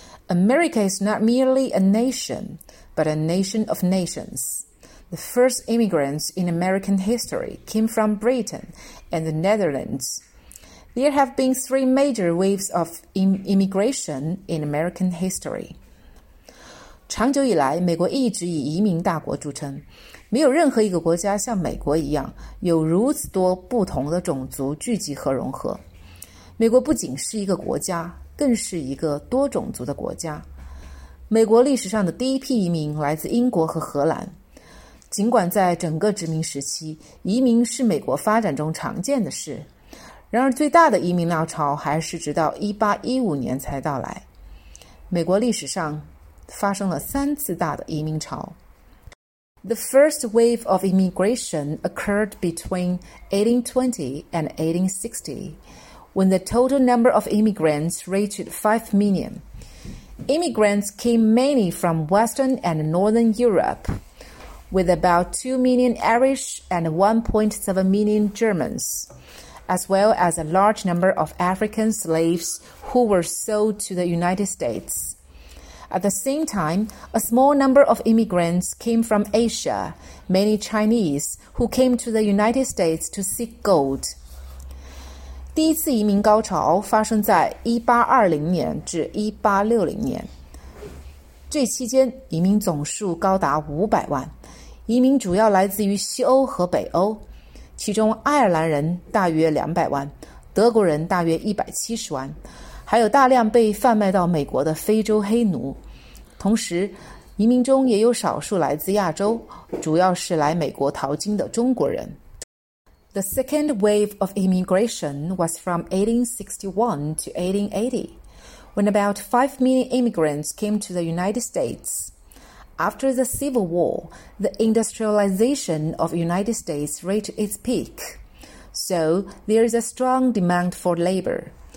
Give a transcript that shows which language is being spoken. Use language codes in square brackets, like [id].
[en] America is not merely a nation, but a nation of nations. The first immigrants in American history came from Britain and the Netherlands. There have been three major waves of immigration in American history. [zh] 长久以来，美国一直以移民大国著称，没有任何一个国家像美国一样，有如此多不同的种族聚集和融合。美国不仅是一个国家，更是一个多种族的国家。美国历史上的第一批移民来自英国和荷兰。尽管在整个殖民时期，移民是美国发展中常见的事，然而最大的移民浪潮还是直到1815年才到来。美国历史上发生了三次大的移民潮。 [en] The first wave of immigration occurred between 1820 and 1860, when the total number of immigrants reached 5 million. Immigrants came mainly from Western and Northern Europe, with about 2 million Irish and 1.7 million Germans, as well as a large number of African slaves who were sold to the United States. At the same time, a small number of immigrants came from Asia, mainly Chinese, who came to the United States to seek gold. [zh] 第一次移民高潮发生在1820年至1860年。这期间，移民总数高达500万。移民主要来自于西欧和北欧，其中爱尔兰人大约200万，德国人大约170万。还有大量被贩卖到美国的非洲黑奴，同时移民中也有少数来自亚洲，主要是来美国淘金的中国人。 [en] The second wave of immigration was from 1861 to 1880, when about 5 million immigrants came to the United States. After the Civil War, the industrialization of the United States reached its peak, so there is a strong demand for labor.